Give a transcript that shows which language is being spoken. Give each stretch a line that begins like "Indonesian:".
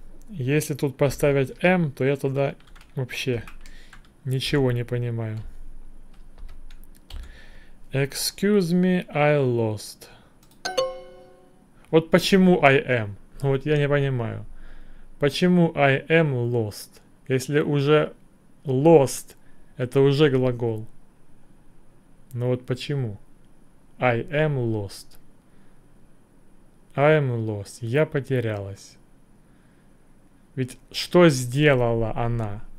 Russian: Если тут поставить M, то я тогда вообще ничего не понимаю.
English: Excuse me, I lost.
Russian: Вот почему
English: I am?
Russian: Вот я не понимаю. Почему
English: I am lost?
Russian: Если уже lost, это уже глагол. Но вот почему?
English: I am lost. I am lost.
Russian: Я потерялась. Ведь что сделала она?